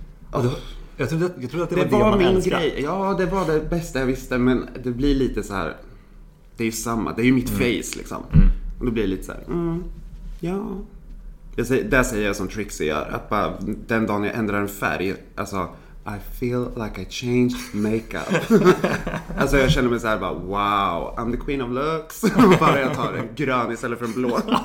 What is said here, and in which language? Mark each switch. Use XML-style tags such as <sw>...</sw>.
<sv>Och då, jag trodde att det var det min älskade. Grej. Ja, det var det bästa jag visste. Men det blir lite så här. Det är ju samma. Det är ju mitt face liksom. Mm. Och då blir det lite så här. Ja. Det säger jag som Trixie gör. Att bara den dagen jag ändrar en färg. Alltså.</sv> <en>I feel like I changed makeup.</en> <sv>Alltså jag känner mig så här bara,</sv> <en>wow, I'm the queen of looks.</en> <sv>Bara jag tar en grön istället för en blå.</sv>